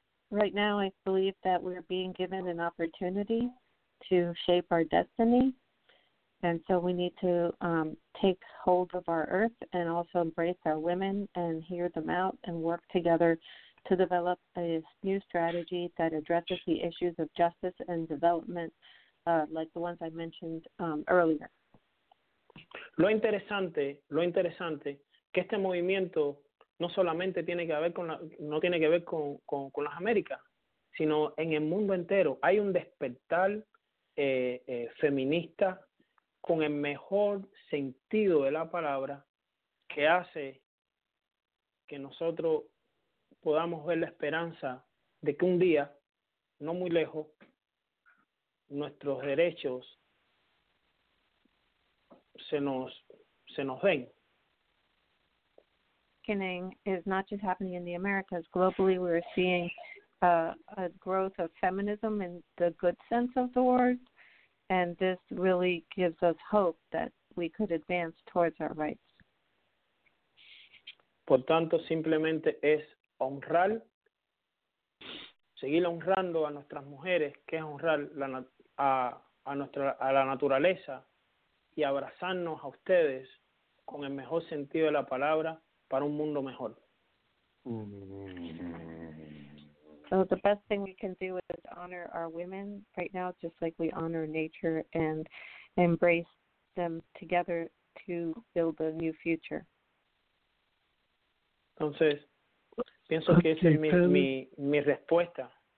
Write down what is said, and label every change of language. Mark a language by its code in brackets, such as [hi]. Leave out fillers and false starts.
[en] Right now, I believe that we're being given an opportunity to shape our destiny, and so we need to take hold of our earth and also embrace our women and hear them out and work together to develop a new strategy that addresses the issues of justice and development, like the ones I mentioned earlier. [es] Lo interesante, que este movimiento no solamente tiene que ver con las Américas, sino en el mundo entero. Hay un despertar feminista con el mejor sentido de la palabra, que hace que nosotros podamos ver la esperanza de que un día, no muy lejos, nuestros derechos se nos den. [en] Is not just happening in the Americas. Globally, we are seeing a growth of feminism in the good sense of the word, and this really gives us hope that we could advance towards our rights. [es] Por tanto, simplemente es honrar, seguir honrando a nuestras mujeres, que es honrar a la naturaleza, y abrazarnos a ustedes con el mejor sentido de la palabra para un mundo mejor. [en] So the best thing we can do is honor our women right now, just like we honor nature, and embrace them together to build a new future. [es] Entonces, pienso que esa es mi respuesta.